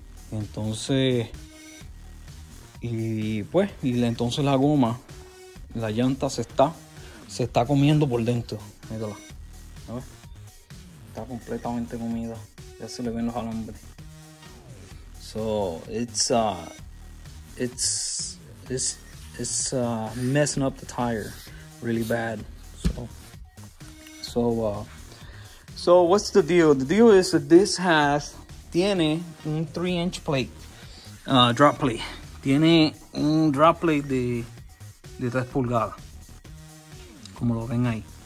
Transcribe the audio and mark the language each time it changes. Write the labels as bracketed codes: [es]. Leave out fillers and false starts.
[es] Entonces, entonces la goma, la llanta se está comiendo por dentro. Mírala, ¿no? Está completamente comida, ya se le ven los alambres. [en] So it's messing up the tire really bad. So what's the deal? The deal is that this has [es] tiene un [en] 3-inch plate, drop plate. [es] Tiene un drop plate de 3 pulgadas, como lo ven ahí.